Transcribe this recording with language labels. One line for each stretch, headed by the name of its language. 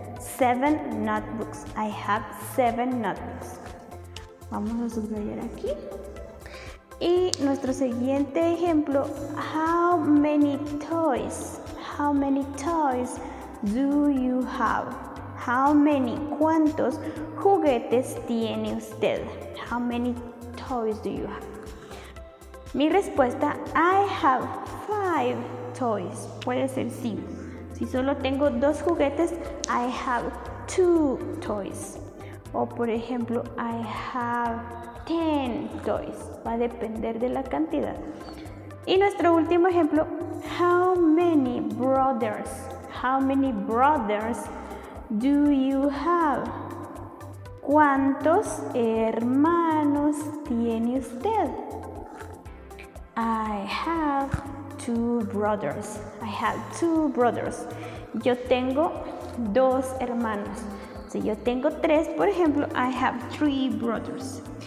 English: Seven notebooks. I have seven notebooks.
Spanish: Vamos a subrayar aquí. Y nuestro siguiente ejemplo,
English: how many toys? How many toys do you have? How many,
Spanish: ¿cuántos juguetes tiene usted?
English: How many toys do you have?
Spanish: Mi respuesta,
English: I have five toys.
Spanish: Puede ser cinco. Si solo tengo dos juguetes,
English: I have two toys.
Spanish: O por ejemplo,
English: I have ten toys.
Spanish: Va a depender de la cantidad. Y nuestro último ejemplo,
English: how many brothers? How many brothers do you have?
Spanish: ¿Cuántos hermanos tiene usted?
English: I have two brothers. I have two brothers.
Spanish: Yo tengo dos hermanos. Si yo tengo tres, por ejemplo,
English: I have three brothers.